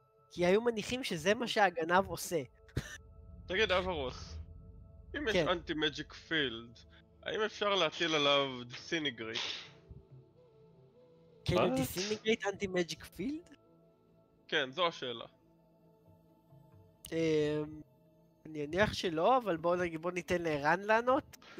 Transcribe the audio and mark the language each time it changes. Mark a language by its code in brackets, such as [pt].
[he] כי היו מניחים שזה מה שהגנב עושה. תגיד אברוס, אם יש אנטי מג'יק פילד, האם אפשר להטיל עליו דיסיניגרי? [en] Can you disintegrate anti-magic field? [he] כן, זו השאלה. אני אניח שלא, אבל בואו ניתן לרן לענות.